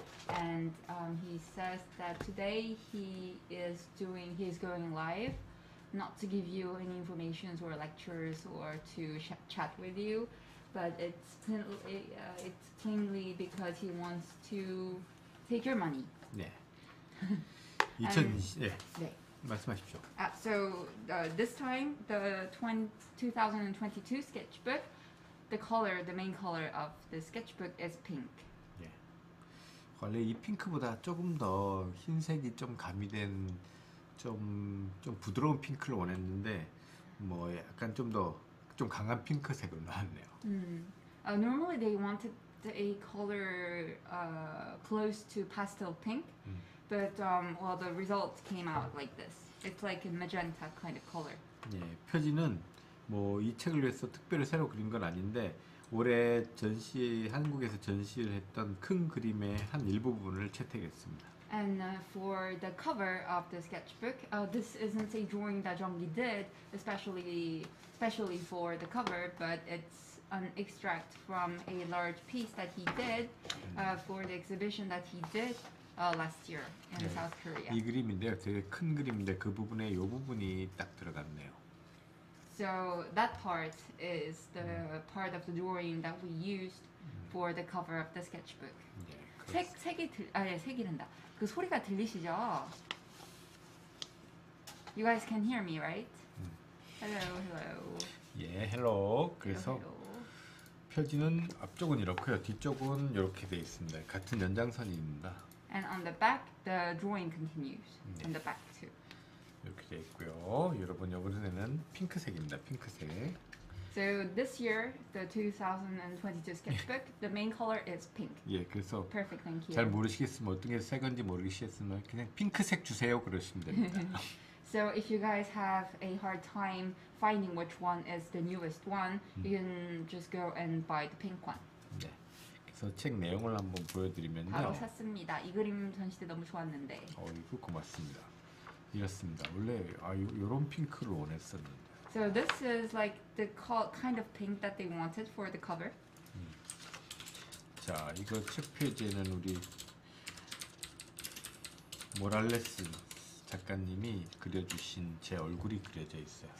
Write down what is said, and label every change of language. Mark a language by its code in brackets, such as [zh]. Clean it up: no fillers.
[en] And he says that today he's going live, not to give you any information or lectures or to chat with you, but it's plainly because he wants to take your money. Yeah. 2020. Yeah. [ko] 네. 말씀하십시오. [en] So this time the 2022 sketchbook, the main color of the sketchbook is pink. [ko] 예. 원래 이 핑크보다 조금 더 흰색이 좀 가미된 좀 부드러운 핑크를 원했는데 뭐 약간 좀 강한 핑크색으로 나왔네요. [en] Normally they wanted a color close to pastel pink. But well, the result came out like this. It's like a magenta kind of color. [ko] 네, 표지는 뭐 이 책을 위해서 특별히 새로 그린 건 아닌데 올해 전시 한국에서 전시를 했던 큰 그림의 한 일부분을 채택했습니다. [en] And for the cover of the sketchbook, this isn't a drawing that Jeonggi did especially for the cover, but it's an extract from a large piece that he did for the exhibition that he did. Last year in South Korea. [ko] 이 그림인데요, 되게 큰 그림인데 그 부분에 이 부분이 딱 들어갔네요. [en] So that part is the part of the drawing that we used for the cover of the sketchbook. [ko] 색이 든다. 그 소리가 들리시죠? [en] You guys can hear me, right? Hello. [ko] 예, hello. 그래서 표지는 앞쪽은 이렇고요, 뒤쪽은 이렇게 돼 있습니다. 같은 연장선입니다. [en] And on the back, the drawing continues. [ko] 네. [en] On the back too. [ko] 이렇게 돼 있고요. 여러분, 이번에는 핑크색입니다. 핑크색. [en] So this year, the 2022 sketchbook, the main color is pink. [ko] 예, 그래서 [en] Perfect, thank you. [ko] 잘 모르시겠으면 어떤 게 색인지 모르시겠으면 그냥 핑크색 주세요. 그러시면 됩니다. [en] So if you guys have a hard time finding which one is the newest one, you can just go and buy the pink one. [ko] 네. 그래서 책 내용을 한번 보여드리면요. 바로 샀습니다. 이 그림 전시 때 너무 좋았는데. 이거 고맙습니다. 이렇습니다. 원래 이런 핑크를 원했었는데. [en] So this is like the kind of pink that they wanted for the cover. [ko] 자, 이거 책 표지는 우리 모랄레스 작가님이 그려주신 제 얼굴이 그려져 있어요.